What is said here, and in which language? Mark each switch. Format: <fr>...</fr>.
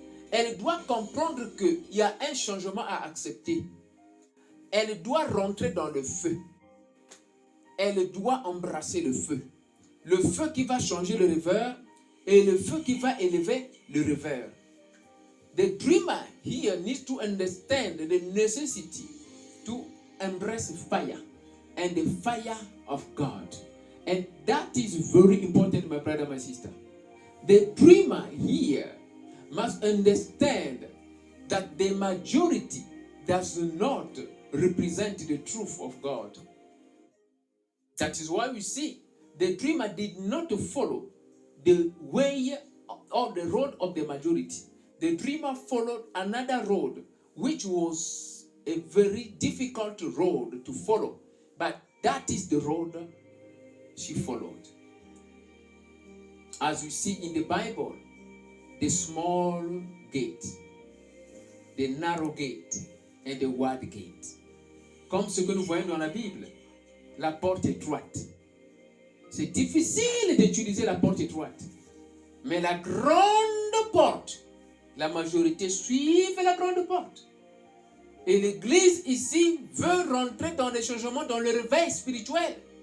<fr>Elle doit comprendre qu'il y a un changement à accepter. Elle doit rentrer dans le feu. Elle doit embrasser le feu. Le feu qui va changer le rêveur et le feu qui va élever le rêveur.</fr> <en>The dreamer here needs to understand the necessity to embrace fire and the fire of God. And that is very important, my brother, my sister. The dreamer here must understand that the majority does not represent the truth of God. That is why we see the dreamer did not follow the way or the road of the majority. The dreamer followed another road, which was a very difficult road to follow. But that is the road she followed. as you see in the Bible, the small gate, the narrow gate, and the wide gate.</en> <fr>Comme ce que nous voyons dans la Bible, la porte étroite. C'est difficile d'utiliser la porte étroite. Mais la grande porte, la majorité suivent la grande porte. Et l'Église ici veut rentrer dans les changements, dans le réveil spirituel.</fr>